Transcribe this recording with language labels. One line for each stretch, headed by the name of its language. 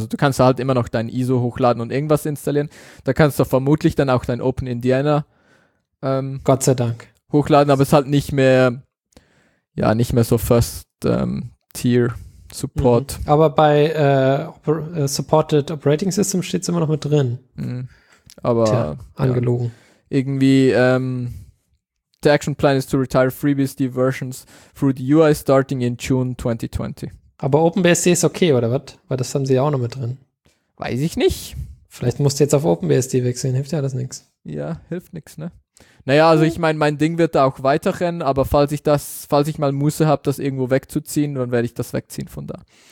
German: Also du kannst halt immer noch dein ISO hochladen und irgendwas installieren. Da kannst du vermutlich dann auch dein Open Indiana Gott sei Dank hochladen, aber es ist halt nicht mehr ja, nicht mehr so First Tier Support. Mhm. Aber bei Supported Operating System steht es immer noch mit drin. Aber tja, angelogen.
English: Ja, irgendwie the action plan is to retire FreeBSD versions through the UI starting in June 2020.
German: Aber OpenBSD ist okay, oder was? Weil das haben sie ja auch noch mit drin. Weiß ich nicht. Vielleicht musst du jetzt auf OpenBSD wechseln, hilft ja das nichts. Ja, hilft nichts, ne? Naja, also ich meine, mein Ding wird da auch weiter rennen, aber falls ich mal Muße habe, das irgendwo wegzuziehen, dann werde ich das wegziehen von da.